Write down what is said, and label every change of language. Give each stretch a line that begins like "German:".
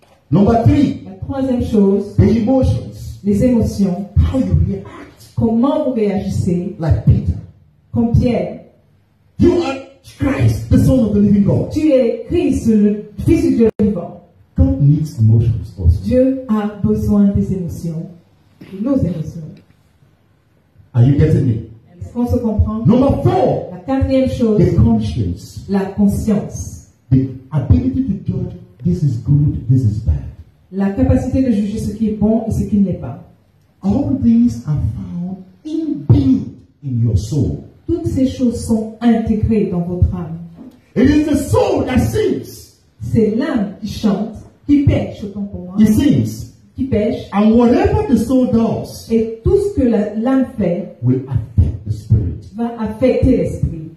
English: Number three,
French: la troisième chose,
English: the emotions,
French: les émotions,
English: how you react,
French: comment vous réagissez,
English: like Peter,
French: comme Pierre,
English: you are Christ, the Son of the Living God,
French: tu es Christ, le Fils du Dieu vivant.
English: God needs emotions also.
French: Dieu a besoin des émotions, de nos émotions.
English: Are you getting me?
French: Est-ce qu'on se comprend?
English: Number four,
French: la quatrième chose,
English: the conscience,
French: la conscience,
English: the ability to judge. This is good, this is bad.
French: La capacité de juger ce qui est bon et ce qui n'est pas.
English: All these are found inbuilt in your soul.
French: Toutes ces choses sont intégrées dans votre âme.
English: It is the soul that sings.
French: C'est l'âme qui chante, qui pêche autant pour moi.
English: It sings.
French: Qui pêche.
English: And whatever the soul does.
French: Et tout ce que l'âme fait
English: will affect the spirit.
French: Va affecter l'esprit.